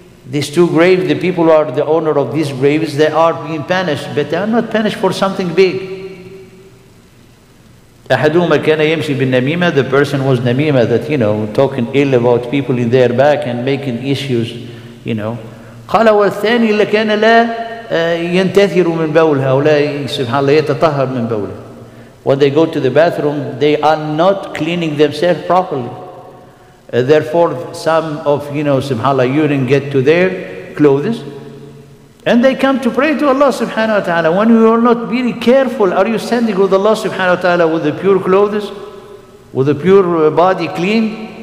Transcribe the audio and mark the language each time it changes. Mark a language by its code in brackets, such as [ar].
[en] These two graves, the people who are the owner of these graves, they are being punished, but they are not punished for something big. [ar] أحدهما كان يمشي بالنميمة, [en] the person was Namima, that you know, talking ill about people in their back and making issues, you know. [ar] قال والثاني إلا كان لا ينتثر من بول هؤلاء سبحان الله يتطهر من بول. [en] When they go to the bathroom, they are not cleaning themselves properly. Therefore, some of you know سبحان الله urine get to their clothes, and they come to pray to Allah سبحانه وتعالى. When you are not very careful, are you standing with Allah سبحانه وتعالى with the pure clothes, with the pure body clean?